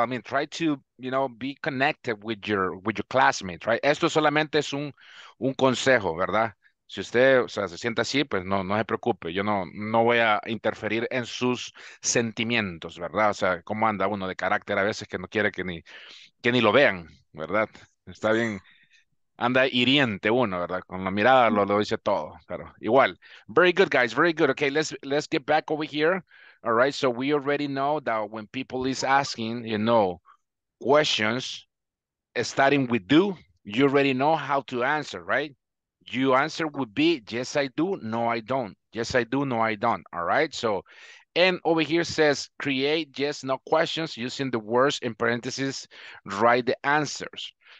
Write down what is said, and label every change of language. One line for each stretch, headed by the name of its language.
English: I mean, try to, you know, be connected with your classmates, right?
Spanish: Esto solamente es un consejo, ¿verdad? Si usted, o sea, se siente así, pues no se preocupe. Yo no voy a interferir en sus sentimientos, ¿verdad? O sea, ¿cómo anda uno de carácter a veces que no quiere que ni lo vean, ¿verdad? Está bien. Anda hiriente uno, ¿verdad? Con la mirada lo dice todo, pero igual.
English: Very good, guys. Very good. Okay, let's get back over here. All right, so we already know that when people is asking, you know, questions starting with do, you already know how to answer, right? Your answer would be, yes, I do, no, I don't. Yes, I do, no, I don't, all right? So, and over here says, create yes, no questions using the words in parentheses, write the answers.